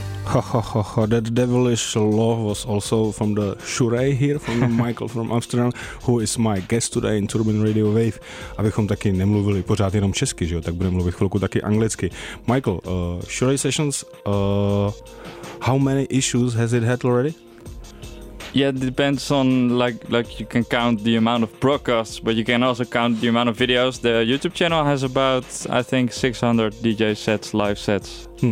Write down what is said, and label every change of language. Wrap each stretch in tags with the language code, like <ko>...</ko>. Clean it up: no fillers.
<en>Ho, that devilish love was also from the Shurei here, from Michael from Amsterdam, who is my guest today in Turbine Radio Wave.</en> <cs>Abychom taky nemluvili pořád jenom česky, že jo, tak budeme mluvit chvilku taky anglicky.</cs> <en>Michael, Shurei Sessions, how many issues has it had already? Yeah, it depends on, like you can count the amount of broadcasts, but you can also count the amount of videos. The YouTube channel has about, I think, 600 DJ sets, live sets.</en>